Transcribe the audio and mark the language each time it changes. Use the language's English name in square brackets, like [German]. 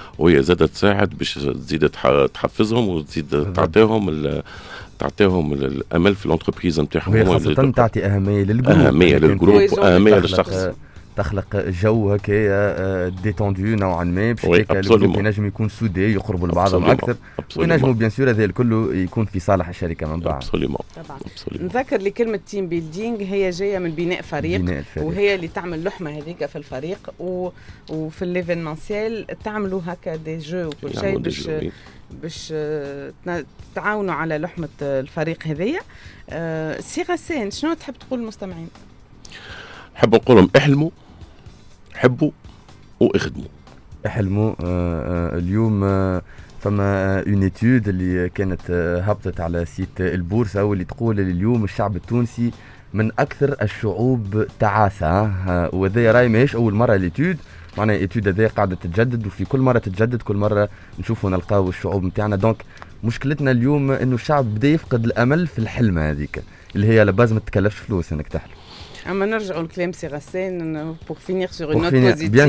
[French] Oui, ils aident ça, ils aident à travailler, ils aident à تعطيهم الامل في الانتربريز نتاعهم. [Arabic] هو خاصة تعطي اهميه للجروب واهميه للشخص، تخلق جو هكا ديتوندو نوعا ما بشكل ينجم يكون سودي، يقربوا لبعضهم اكثر وينجموا بيان سور هذا الكل يكون في صالح الشركه من بعد. [French] Absolument. [Arabic] نذكر لكلمه تيم بيلدينغ هي جايه من بناء فريق، وهي اللي تعمل لحمه هذيك في الفريق وفي الليفينمونسييل تعملوا هكا دي جو وكل شيء باش تعاونوا على لحمه الفريق هذيا. سي غسان شنو تحب تقول للمستمعين؟ حب نقولهم احلموا، حبوا واخدموا. احلموا اليوم فما اون ايتود اللي كانت هبطت على سيت البورصه واللي تقول اليوم الشعب التونسي من اكثر الشعوب تعاسه، وهذا راي ماهيش اول مره ليتود، معناها ايتود هذه قاعده تتجدد وفي كل مره تتجدد كل مره نشوفوا نلقاو الشعوب نتاعنا. دونك مشكلتنا اليوم انه الشعب بدا يفقد الامل في الحلم هذيك اللي هي لباز ما تكلفش فلوس انك تحلم. اما نرجع لكلام سي غسان pour finir sur une note positive.